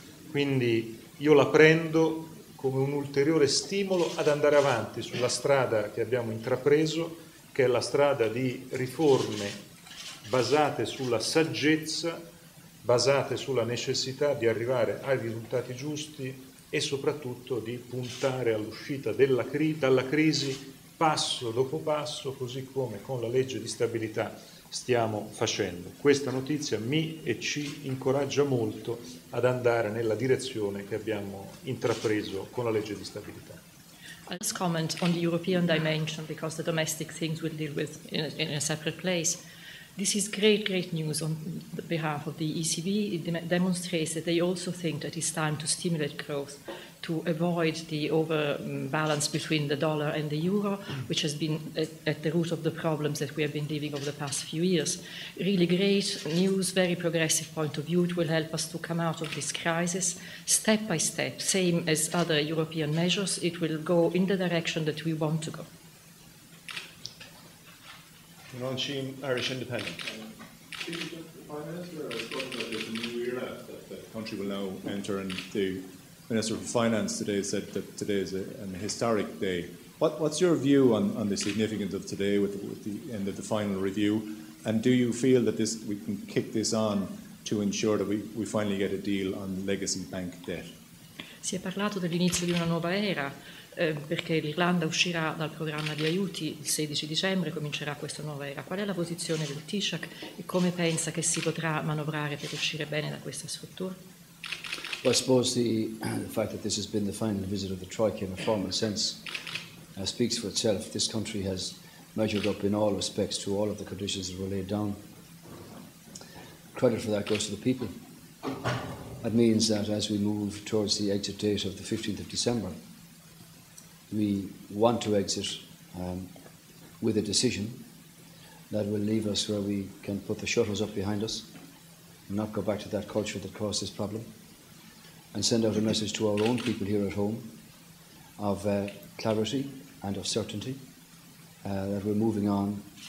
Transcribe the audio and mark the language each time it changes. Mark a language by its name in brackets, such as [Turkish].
[Italian] Quindi io la prendo come un ulteriore stimolo ad andare avanti sulla strada che abbiamo intrapreso, che è la strada di riforme basate sulla saggezza, basate sulla necessità di arrivare ai risultati giusti e soprattutto di puntare all'uscita dalla crisi passo dopo passo, così come con la legge di stabilità stiamo facendo. Questa notizia mi e ci incoraggia molto ad andare nella direzione che abbiamo intrapreso con la legge di stabilità. [English] I'll just comment on the European dimension, because the domestic things we'll deal with in a separate place. This is great, great news on the behalf of the ECB. It demonstrates that they also think that it's time to stimulate growth, to avoid the overbalance between the dollar and the euro, which has been at the root of the problems that we have been living over the past few years. Really great news, very progressive point of view. It will help us to come out of this crisis step by step, same as other European measures. It will go in the direction that we want to go. Ron Sheen, Irish Independent. The Prime Minister has spoken about this new era that the country will now enter, and the Minister for Finance today said that today is an historic day. What's your view on the significance of today with the end of the final review? And do you feel that this we can kick this on to ensure that we finally get a deal on legacy bank debt? [Italian] Si è parlato dell'inizio di una nuova era. Perché l'Irlanda uscirà dal programma di aiuti il 16 dicembre, comincerà questa nuova era. Qual è la posizione del Taoiseach e come pensa che si potrà manovrare per uscire bene da questa struttura? [English] Well, I suppose the fact that this has been the final visit of the Troika in a formal sense speaks for itself. This country has measured up in all respects to all of the conditions that were laid down. Credit for that goes to the people. That means that as we move towards the exit date of the 15th of December, we want to exit with a decision that will leave us where we can put the shutters up behind us and not go back to that culture that caused this problem, and send out a message to our own people here at home of clarity and of certainty that we're moving on